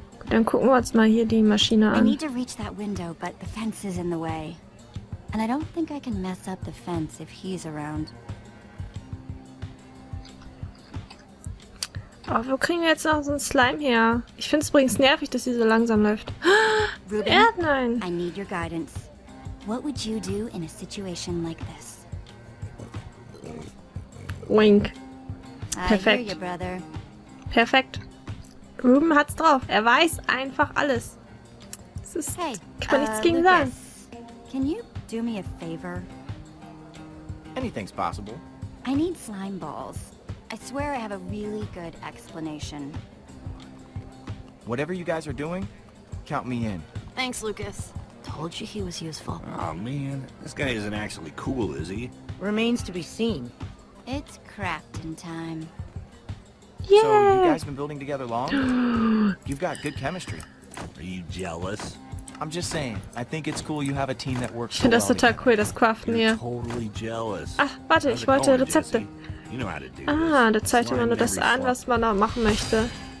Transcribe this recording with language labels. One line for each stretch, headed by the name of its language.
German: Dann gucken wir uns mal hier die Maschine an.
English: I need to reach that window, but the fence is in the way. And I don't think I can mess up the fence if he's around.
German: Oh, wo kriegen wir jetzt noch so einen Slime her? Ich finde es übrigens nervig, dass sie so langsam läuft. Erdnein!
English: I need your guidance. What would you do in a situation like this? Wink. Perfekt. I hear you, brother.
German: Perfekt. Ruben hat's drauf. Er weiß einfach alles. Das ist, hey, kann man nichts gegen Lucas, sagen.
English: Can you do me a favor? Anything's possible. I need slime balls. I swear I have a really good explanation. Whatever you guys are doing, count me in. Thanks, Lucas. Told you he was useful. Aw, oh, man. This guy isn't actually cool, is he? Remains to be seen. It's crafting time. Yeah. So, you guys been building together long? You've got good chemistry. Are you jealous? I'm just saying, I think it's cool you have a team that works so well.
German: Ich finde das total cool, das Craften hier.
English: You're totally jealous.
German: Ach, warte, ich wollte Rezepte.
English: You know how to do this.
German: Ah, da zeigt immer nur das an, was man da machen möchte.